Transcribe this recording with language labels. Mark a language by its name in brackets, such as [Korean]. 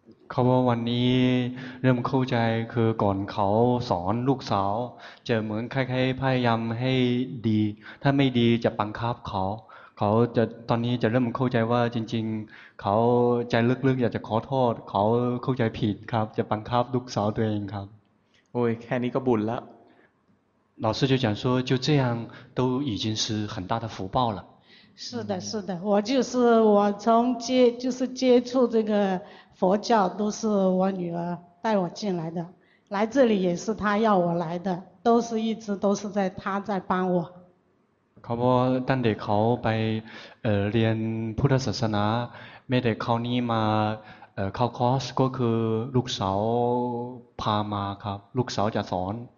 [Thai] เขาบอกวันนี้เริ่มเข้าใจคือก่อนเขาสอนลูกสาวจะเหมือนคล้ายๆพยายามให้ดีถ้าไม่ดีจะบังคับเขาเขาจะตอนนี้จะเริ่มเข้าใจว่าจริงๆเขาใจลึกๆอยากจะขอโทษเขาเข้าใจผิดครับจะบังคับลูกสาวตัวเองครับ โอ้ยแค่นี้ก็บุญแล้ว [Chinese] 老师就讲说就这样都已经是很大的福报了是的是的我从接触这个佛教都是我女儿带我进来的来这里也是她要我来的都是一直都是在她在帮我 [Thai] เขาบอกตั้งแต่เขาไปเรียนพุทธศาสนาไม่ได้เข้านี่มาเข้าคอร์สก็คือลูกสาวพามาครับลูกสาวจะสอน